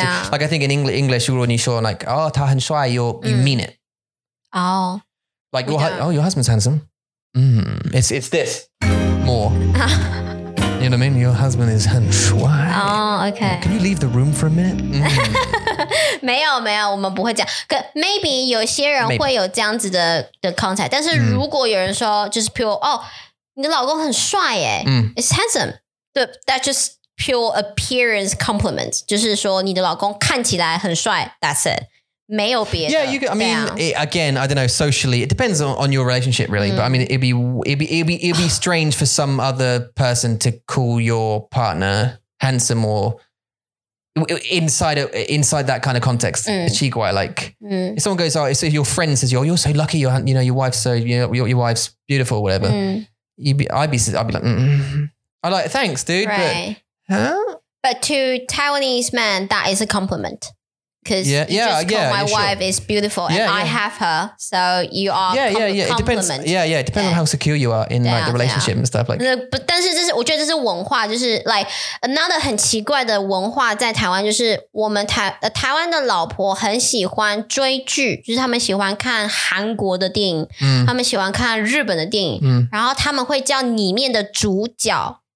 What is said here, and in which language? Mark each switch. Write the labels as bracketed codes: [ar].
[en] to like I think in English, [zh] 如果你说 like 哦，他很帅 [en] ，you mean it. Oh, like your husband's handsome. It's this more. You know what I mean? Your husband is [zh] 很帅. [en] Oh, okay. Can you leave the room for a minute? [zh] 没有没有，我们不会这样。可 maybe 有些人会有这样子的 contact. 但是如果有人说就是 pure, 哦，你的老公很帅耶。 [en] It's handsome. [zh] 对 [en] ，that's just pure appearance compliment. [zh] 就是说你的老公看起来很帅。 [en] That's it. [zh] 没有别的 [en] Yeah, you can, I mean, it, again, I don't know, socially, it depends on your relationship, really. But I mean, it'd be strange for some other person to call your partner handsome or inside that kind of context. It's [zh] 奇怪, [en] like, if someone goes, oh, if your friend says, oh, you're so lucky, you know, your wife's beautiful, whatever. I'd be like, I'd like, thanks, dude. Right. But to Taiwanese men, that is a compliment. Because yeah, you yeah, just yeah, call my yeah, wife sure. is beautiful and yeah, I yeah. have her. So you are yeah, yeah, yeah. compliment. It depends, yeah, yeah. It depends yeah. on how secure you are in yeah, like the relationship yeah. and stuff. Like, [zh] but 但是这是我觉得这是文化, 就是 like another 很奇怪的文化在台湾就是我们台湾的老婆很喜欢追剧, 就是他们喜欢看韩国的电影, 他们喜欢看日本的电影, 然后他们会叫里面的主角,